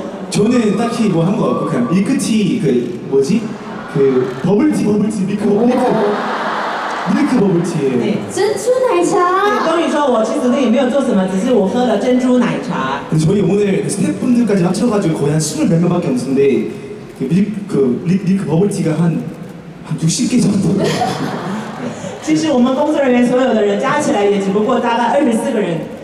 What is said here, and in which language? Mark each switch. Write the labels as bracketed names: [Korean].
[Korean] 저는 딱히 뭐 한 거 없고 그냥 밀크티 그 뭐지? 그 버블티 밀크 버블티예요. 네, [Chinese] 珍珠奶茶. 东宇说我其实那也没有做什么，只是我喝了珍珠奶茶. [Korean] 저희 오늘 스태프분들까지 합쳐가지고 거의 한 스물 몇 명밖에 없는데 밀크 버블티가 한 60개 정도. [Chinese] 其实我们工作人员所有的人加起来也只不过大概24个人。